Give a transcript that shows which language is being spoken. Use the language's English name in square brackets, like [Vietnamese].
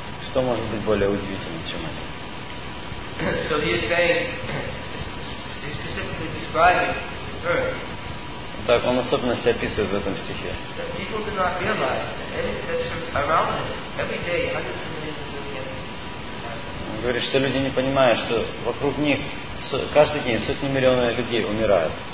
[Russian] Что может быть более удивительным, чем это? [English] So he is saying, specifically describing his birth. [Russian] Так он особенности описывает в этом стихе. [English] That people do not realize that around them every day hundreds of millions of people. [Russian] Он говорит, что люди не понимают, что вокруг них каждый день сотни миллионов людей умирают.